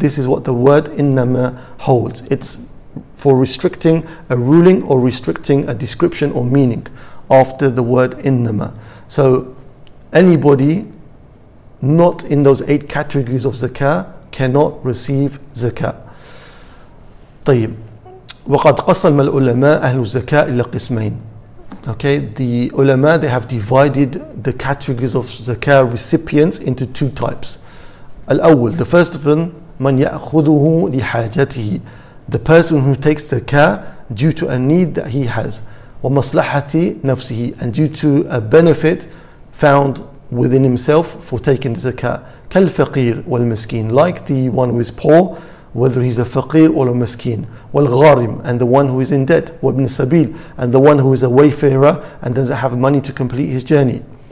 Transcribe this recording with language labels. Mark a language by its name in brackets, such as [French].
[English] This is what the word innama holds. It's for restricting a ruling or restricting a description or meaning after the word innama. So anybody not in those eight categories of zakah cannot receive zakah. [Arabic] طيب وقد قسم العلماء أهل الزكاة إلى قسمين. [English] Okay, the ulama, they have divided the categories of zakah recipients into two types. الأول, the first of them, [Arabic] من يأخذه لحاجته, [English] the person who takes zakah due to a need that he has, [Arabic] ومصلحته نفسه, [English] and due to a benefit found within himself for taking zakah, [Arabic] كالفقير والمسكين, [English] like the one who is poor, whether he's a faqir or a maskeen, [Arabic] wal gharim, [English] and the one who is in debt, [Arabic] wabn sabil, [English] and the one who is a wayfarer and doesn't have money to complete his journey.